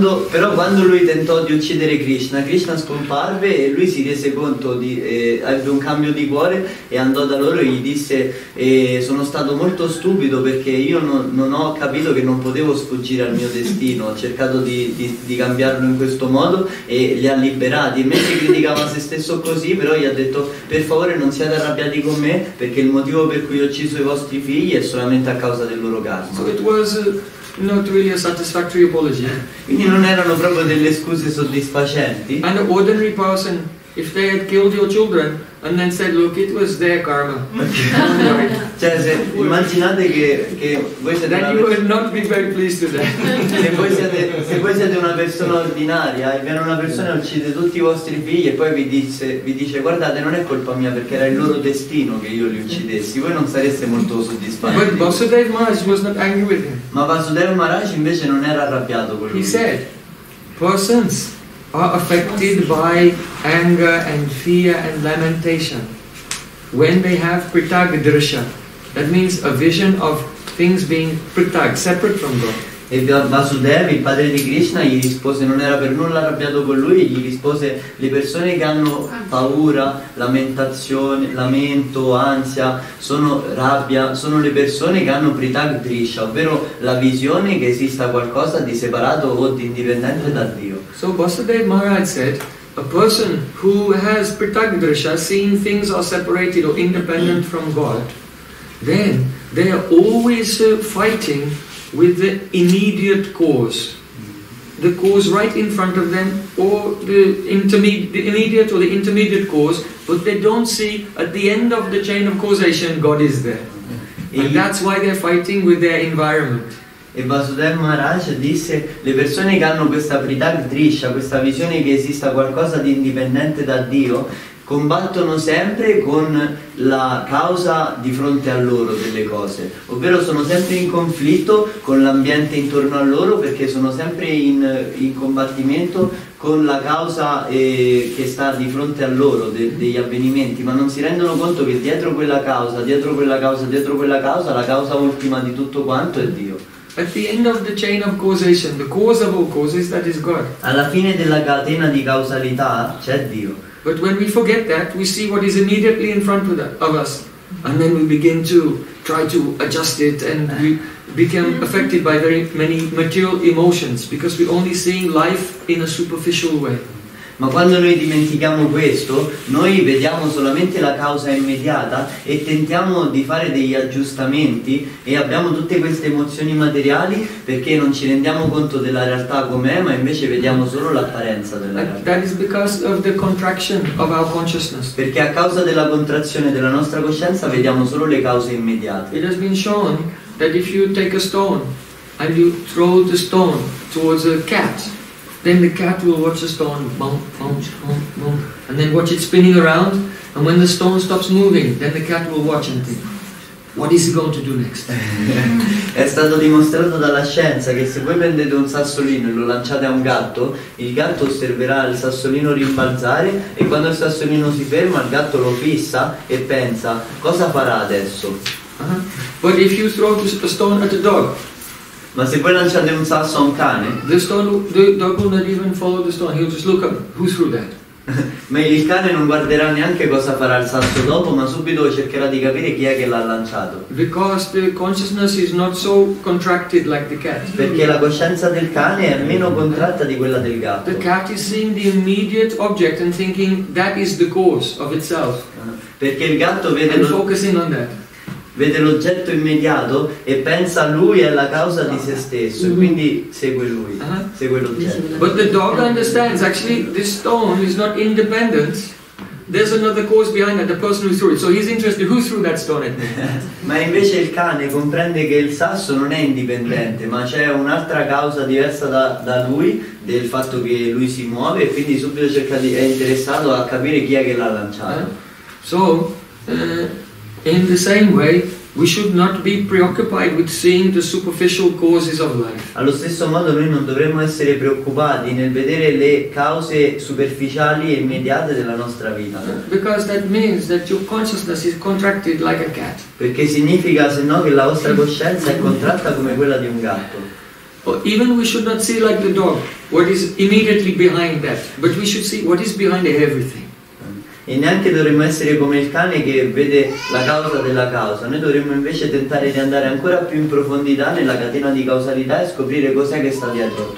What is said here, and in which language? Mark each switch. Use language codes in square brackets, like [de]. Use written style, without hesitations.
[it] Però quando lui tentò di uccidere Krishna, Krishna scomparve e lui si rese conto di ebbe un cambio di cuore e andò da loro e gli disse, sono stato molto stupido perché io non ho capito che non potevo sfuggire al mio destino, ho cercato di cambiarlo in questo modo e li ha liberati. E mentre criticava se stesso così, però gli ha detto, per favore non siate arrabbiati con me, perché il motivo per cui ho ucciso i vostri figli è solamente a causa del loro karma. [en] So it was not really a satisfactory apology. [it] Quindi non erano proprio delle scuse soddisfacenti. [en] An ordinary person If they had killed your children and then said, look, it was their karma. [it] Cioè, se immaginate che voi siete [en] then [it] una [en] you would not be very pleased with that. [it] se voi siete una persona ordinaria e viene una persona e uccide tutti i vostri figli e poi vi dice guardate, non è colpa mia perché era il loro destino che io li uccidessi, voi non sareste molto soddisfatti. [en] But Vasudev Maharaj was not angry with him. [it] Ma Vasudev Maharaj invece non era arrabbiato con lui. [en] He said, persons are affected by anger and fear and lamentation when they have pritag drisha. That means a vision of things being pritag, separate from God. [it] E Vasudev, il padre di Krishna, gli rispose, non era per nulla arrabbiato con lui, gli rispose, le persone che hanno paura, lamentazione, lamento, ansia, sono rabbia, sono le persone che hanno pritag drisha, ovvero la visione che esista qualcosa di separato o di indipendente da Dio. [en] So Vasudev Maharaj said, a person who has pritag drisha, seeing things are separated or independent from God, then they are always fighting with the immediate cause, the cause right in front of them, or the immediate cause, but they don't see at the end of the chain of causation God is there. And that's why they're fighting with their environment. [it] E Vasudev Maharaj disse, le persone che hanno questa pritag drisha, questa visione che esista qualcosa di indipendente da Dio, combattono sempre con la causa di fronte a loro delle cose, ovvero sono sempre in conflitto con l'ambiente intorno a loro perché sono sempre in combattimento con la causa che sta di fronte a loro degli avvenimenti, ma non si rendono conto che dietro quella causa, dietro quella causa, dietro quella causa, la causa ultima di tutto quanto è Dio. [en] At the end of the chain of causation, the cause of all causes, that is God. [it] Alla fine della catena di causalità c'è Dio. [en] But when we forget that, we see what is immediately in front of us, and then we begin to try to adjust it, and we become affected by very many material emotions because we only see life in a superficial way. [it] Ma quando noi dimentichiamo questo, noi vediamo solamente la causa immediata e tentiamo di fare degli aggiustamenti e abbiamo tutte queste emozioni materiali perché non ci rendiamo conto della realtà com'è, ma invece vediamo solo l'apparenza della realtà. [en] That is because of the contraction of our consciousness. [it] Perché a causa della contrazione della nostra coscienza vediamo solo le cause immediate. [en] It has been shown that if you take a stone and you throw the stone towards a cat, then the cat will watch the stone bump, bump, bump, bump, and then watch it spinning around, and when the stone stops moving, then the cat will watch and think, what is he going to do next? [it] È stato dimostrato dalla scienza che se voi prendete un sassolino e lo lanciate a un gatto, il gatto osserverà il sassolino rimbalzare, e quando il sassolino si ferma, il gatto lo fissa e pensa, cosa farà adesso? [en] But if you throw a stone at a dog, [it] ma se voi lanciate un sasso a un cane, [en] the dog will not even follow the stone. He'll just look up. Who threw that? [it] Ma il cane non guarderà neanche cosa farà il sasso dopo, ma subito cercherà di capire chi è che l'ha lanciato. [en] Because the consciousness is not so contracted like the cat. [it] Perché la coscienza del cane è meno contratta di quella del gatto. [en] The cat is seeing the immediate object and thinking that is the cause of itself. [it] Perché il gatto vede. [en] And focusing on that. [it] Vede l'oggetto immediato e pensa a lui e alla causa di se stesso, e quindi segue lui, segue l'oggetto. [en] But the dog understands, actually, this stone is not independent. There's another cause behind that, the person who threw it. So he's interested, who threw that stone at me? [it] Ma invece il cane comprende che il sasso non è indipendente, ma c'è un'altra causa diversa da lui, del fatto che lui si muove, e quindi subito è interessato a capire chi è che l'ha lanciato. [en] In the same way, we should not be preoccupied with seeing the superficial causes of life. [it] Allo stesso modo, noi non dovremmo essere preoccupati nel vedere le cause superficiali e immediate della nostra vita. [en] Because that means that your consciousness is contracted like a cat. [it] Perché significa, se no, che la vostra coscienza è contratta come quella di un gatto. [en] Or even we should not see like the dog, what is immediately behind that. But we should see what is behind everything. [it] E neanche dovremmo essere come il cane che vede la causa della causa. Noi dovremmo invece tentare di andare ancora più in profondità nella catena di causalità e scoprire cos'è che sta dietro.